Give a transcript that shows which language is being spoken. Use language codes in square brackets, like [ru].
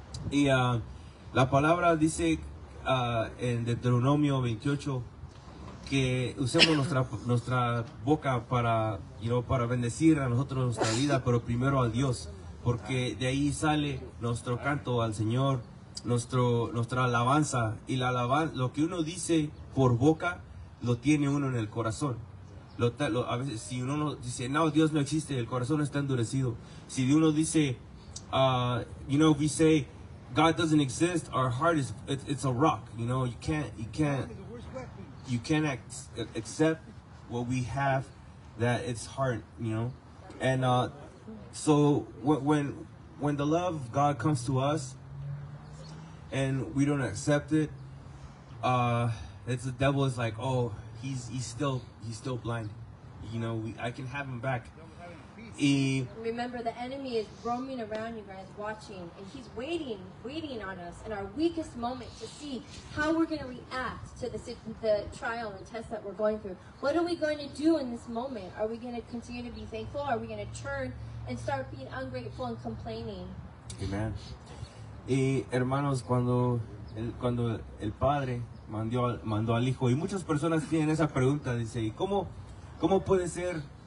[es] Y la palabra dice en Deuteronomio 28 que usemos nuestra boca para, [en] you know, [es] para bendecir a nosotros nuestra vida, pero primero a Dios, porque de ahí sale nuestro canto al Señor, nuestra alabanza. Y la alabanza, lo que uno dice por boca lo tiene uno en el corazón. A veces, si uno dice, no, Dios no existe, el corazón está endurecido. Si uno dice, [en] you know, we say, God doesn't exist, our heart is, it's a rock, you know, you can't accept what we have, that it's hard, you know. And so when the love of God comes to us and we don't accept it, the devil is like, oh, he's still blind, you know. I can have him back. Remember, the enemy is roaming around, you guys, watching, and he's waiting on us in our weakest moment to see how we're going to react to the trial and test that we're going through. What are we going to do in this moment? Are we going to continue to be thankful? Are we going to turn and start being ungrateful and complaining? Amen. [es] Y hermanos, cuando el padre mandó al hijo, y muchas personas tienen esa pregunta, dice, ¿y cómo puede ser?